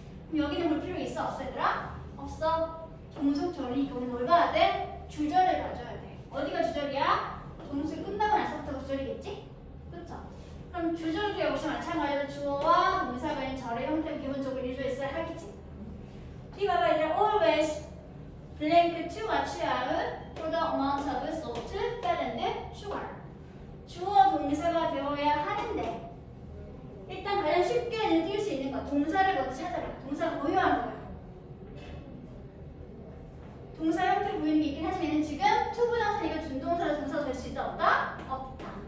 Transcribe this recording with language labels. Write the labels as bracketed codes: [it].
[ko] 그럼 여기는 볼 필요 있어, 없어, 얘들아? 없어. 종속절이 그럼 뭘 봐야 돼? 주절을 봐줘야 돼. 어디가 주절이야? 종속이 끝나고 나서부터 주절이겠지? 그쵸? 그럼 주절도 역시 마찬가지로 주어와 동사가 있는 절의 형태를 기본적으로 이루어 있어야 하겠지. 뒤 봐봐, 이제 [en] always blank to watch out for the amount of salt that in the sugar. [ko] 주어 동사가 되어야 하는데 일단 가장 쉽게 띄울 수 있는 거 동사를 먼저 찾아봐. 동사가 보유한 거야. 동사 형태 보이는 게 있긴 하지만 지금 투부정사 이거 준동사로 동사가 될 수 있다 없다? 없다.